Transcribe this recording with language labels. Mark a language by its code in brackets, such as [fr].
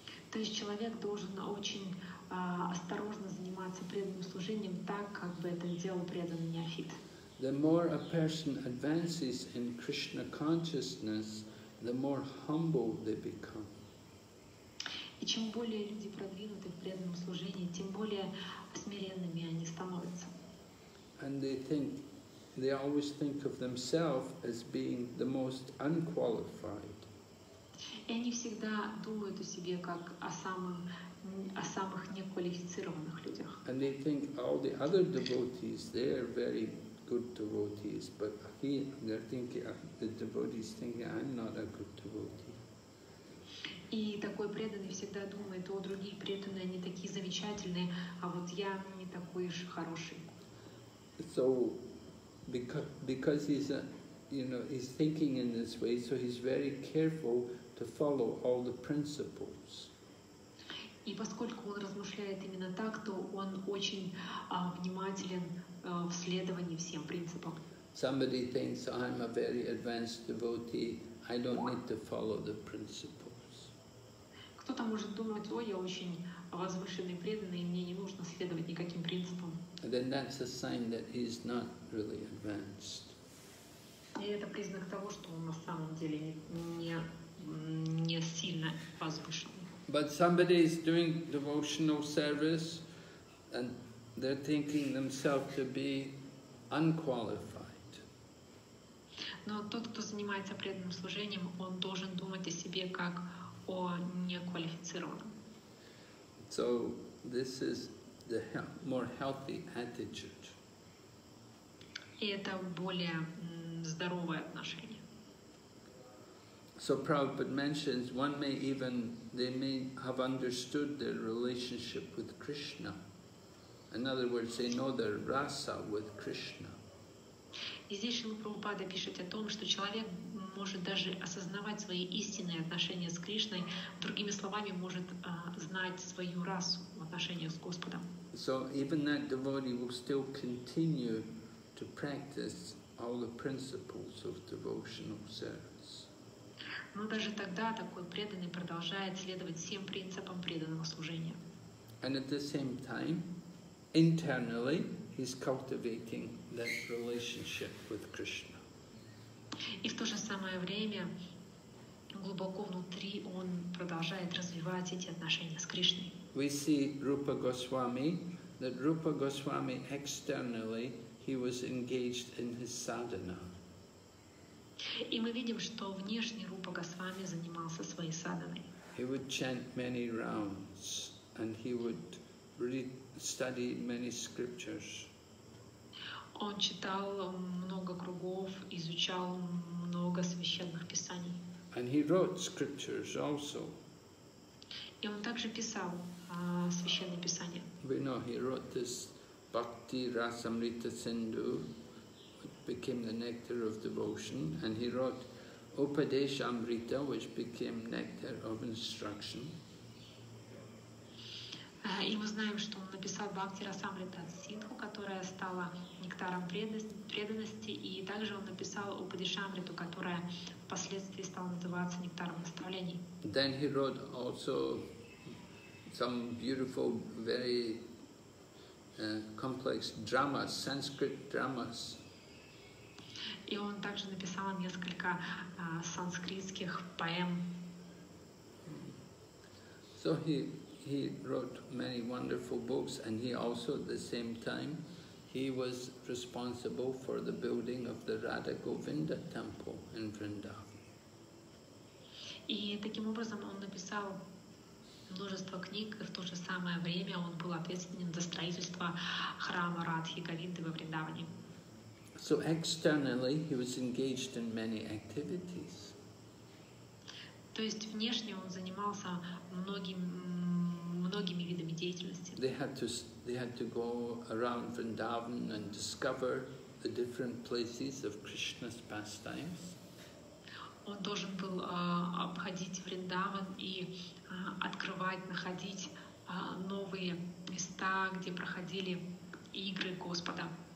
[ru] То есть человек должен очень осторожно заниматься преданным служением так, как бы это делал преданный неофит. [en] The more a person advances in Krishna consciousness, the more humble they become. [ru] И чем более люди продвинуты в преданном служении, тем более смиренными они становятся. [en] And they always think of themselves as being the most unqualified. [ru] И они всегда думают о себе как о самых неквалифицированных людях. [en] And they think all the other devotees, they are very good devotees, but the devotees think I'm not a good devotee. [ru] И такой преданный всегда думает, о, другие преданные, они такие замечательные, а вот я не такой уж хороший. [en] So because he's thinking in this way, so he's very careful to follow all the principles. [ru] И поскольку он размышляет именно так, то он очень внимателен в следовании всем принципам. [en] Somebody thinks I'm a very advanced devotee, I don't need to follow the principles. [ru] Кто-то может думать, ой, я очень возвышенный преданный, и мне не нужно следовать никаким принципам. [en] Then that's a sign that he's not really advanced. [ru] И это признак того, что он на самом деле не сильно возвышенный. [en] But somebody is doing devotional service and they're thinking themselves to be unqualified. [ru] Но тот, кто занимается преданным служением, он должен думать о себе как о неквалифицированном. [en] So this is the more healthy attitude. [ru] И это более здоровое отношение. [en] So Prabhupada mentions one may even, they may have understood their relationship with Krishna. In other words, they know their rasa with Krishna. [ru] И здесь Шрила Прабхупада пишет о том, что человек может даже осознавать свои истинные отношения с Кришной, другими словами, может знать свою расу в отношениях с Господом. [en] So even that devotee will still continue to practice all the principles of devotional service. [ru] Но даже тогда такой преданный продолжает следовать всем принципам преданного служения. [en] And at the same time, internally, he's cultivating that relationship with Krishna. [ru] И в то же самое время глубоко внутри он продолжает развивать эти отношения с Кришной. [en] We see Rupa Goswami, that Rupa Goswami externally he was engaged in his sadhana. [ru] И мы видим, что внешне Рупа Госвами занимался своей садханой. [en] He would chant many rounds and he would study many scriptures. [ru] Он читал много кругов, изучал много священных писаний. [en] And he wrote scriptures also. [ru] И он также писал священные писания. [en] We know he wrote this Bhakti Rasamrita Sindhu, which became the nectar of devotion, and he wrote Upadeshamrita, which became nectar of instruction. [ru] И мы знаем, что он написал Бхакти Расамрита Синдху, которая стала нектаром преданности, и также он написал Упадешамриту, которая впоследствии стала называться нектаром наставлений. [en] Then he wrote also some beautiful, very complex dramas, Sanskrit dramas. [ru] И он также написал несколько санскритских поэм. [en] So he wrote many wonderful books, and he also, at the same time, he was responsible for the building of the Radha Govinda temple in Vrindavan. [ru] И таким образом он написал множество книг, и в то же самое время он был ответственен за строительство храма Радхи Говинды во Вриндаване. [en] So externally he was engaged in many activities. [ru] То есть внешне он занимался многими видами деятельности. [en] They had to go around Vrindavan and discover the different places of Krishna's pastimes. [ru] Он должен был обходить Вриндаван и открывать, находить новые места, где проходили игры Господа.